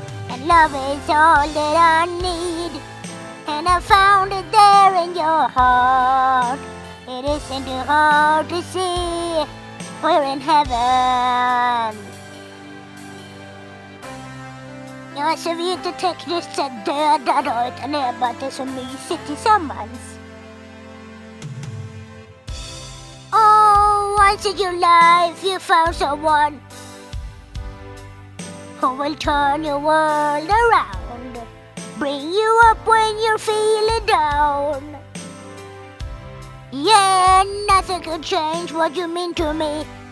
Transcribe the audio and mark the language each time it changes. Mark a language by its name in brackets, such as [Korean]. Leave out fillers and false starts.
[English] And love is all that I need, and I found it there in your heart. It isn't too hard to see we're in heaven. [Swedish] Jag ser inte tekniskt sett döda då, utan det är bara det som myser tillsammans. [English] Oh, once in your life you found someone who will turn your world around, bring you up when you're feeling down. Yeah, nothing could change what you mean to me.